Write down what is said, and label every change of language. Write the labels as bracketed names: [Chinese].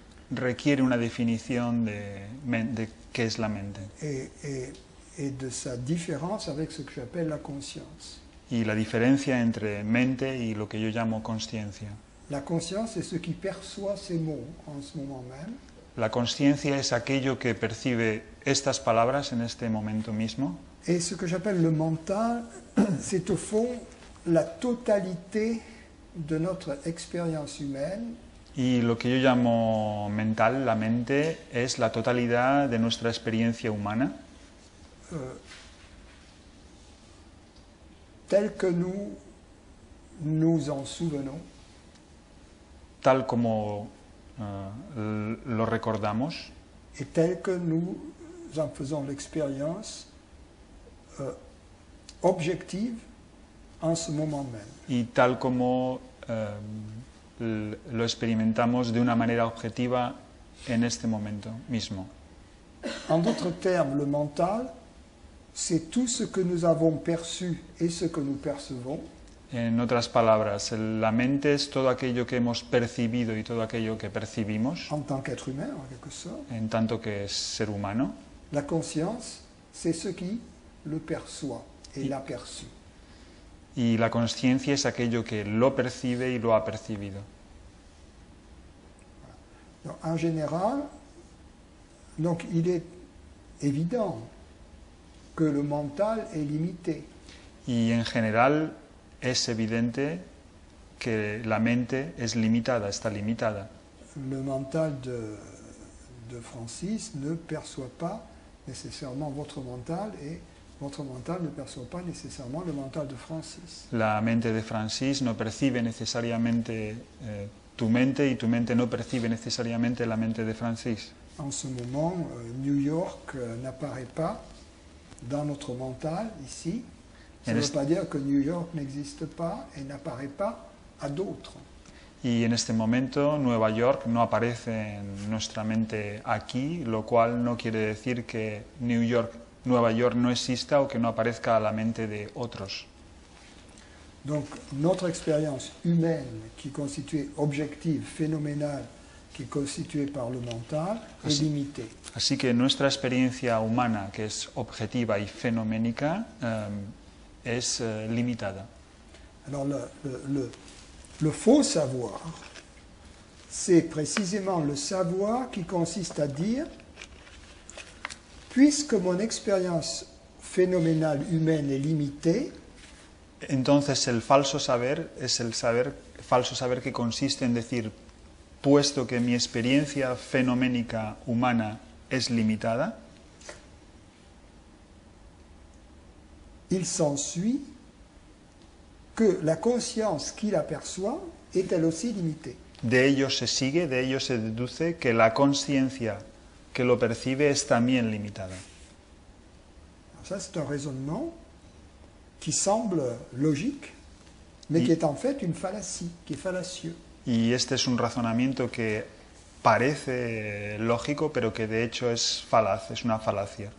[Spanish] requiere una definición de qué es la mente. [French] Et de sa différence avec ce que j'appelle la conscience. [Spanish] Y la diferencia entre mente y lo que yo llamo consciencia. [French] La conscience est ce qui perçoit ces mots en ce moment même. [Spanish] La conciencia es aquello que percibe estas palabras en este momento mismo. [French] Et ce que j'appelle le mental, c'est au fond la totalité de notre expérience humaine. [Spanish] Y lo que yo llamo mental, la mente, es la totalidad de nuestra experiencia humana. [French] Tel que nous en souvenons. [Spanish] Tal como lo recordamos. [French] Et tel que nous en faisons l'expérience objective en ce moment même. [Spanish] Y tal como lo experimentamos de una manera objetiva en este momento mismo. [French] En d'autres termes, le mental, c'est tout ce que nous avons perçu et ce que nous percevons. [Spanish] En otras palabras, la mente es todo aquello que hemos percibido y todo aquello que percibimos. [French] En tant qu'être humain, en quelque sorte. [Spanish] En tanto que ser humano. [French] La conscience, c'est ce qui le perçoit et l'a perçu. [Spanish] Y la conciencia es aquello que lo percibe y lo ha percibido. [French] Donc, en général, donc il est évident que le mental est limité. [Spanish] Y en general es evidente que la mente es limitada, está limitada. [French] Le mental de Francis ne perçoit pas nécessairement votre mental et votre mental ne perçoit pas nécessairement le mental de Francis. [Spanish] La mente de Francis no percibe necesariamente tu mente y tu mente no percibe necesariamente la mente de Francis. [French] En ce moment, New York n'apparaît pas dans notre mental ici. Ça ne veut pas dire que New York n'existe pas et n'apparaît pas à d'autres. [Spanish] Y en este momento Nueva York no aparece en nuestra mente aquí, lo cual no quiere decir que Nueva York no exista o que no aparezca a la mente de otros. [French] Donc notre expérience humaine qui est constituée objective, phénoménale, qui est constituée par le mental est limitée. [Spanish] Así que nuestra experiencia humana, que es objetiva y fenoménica, es limitada. [French] Alors le faux savoir, c'est précisément le savoir qui consiste à dire, puisque mon expérience phénoménale humaine est limitée. [Spanish] Entonces el falso saber es el saber falso saber que consiste en decir, puesto que mi experiencia fenoménica humana es limitada. [French] Il s'ensuit que la conscience qui la perçoit est elle aussi limitée. [Spanish] De ello se sigue, de ello se deduce que la conciencia que lo percibe es también limitada. [French] Ça, c'est un raisonnement qui semble logique, mais qui est en fait une fallacie, qui est fallacieux. [Spanish] Y este es un razonamiento que parece lógico, pero que de hecho es falaz, es una falacia.